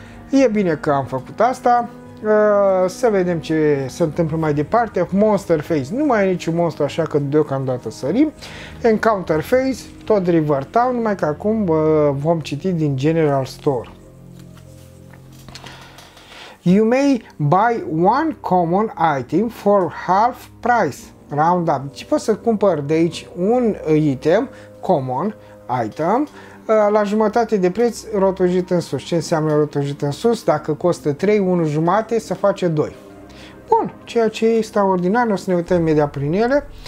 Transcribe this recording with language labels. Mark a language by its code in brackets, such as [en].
[ro] E bine că am făcut asta. Să vedem ce se întâmplă mai departe. Monster Phase. Nu mai e niciun monstru, așa că deocamdată sărim. Encounter Phase. Tot River Town, numai că acum vom citi din General Store. [en] You may buy one common item for half price. Round up. [ro] Deci poți să cumpăr de aici un item, common item, la jumătate de preț rotunjit în sus. Ce înseamnă rotunjit în sus? Dacă costă 3, 1 jumate, se face 2. Bun, ceea ce e extraordinar, o să ne uităm imediat prin ele.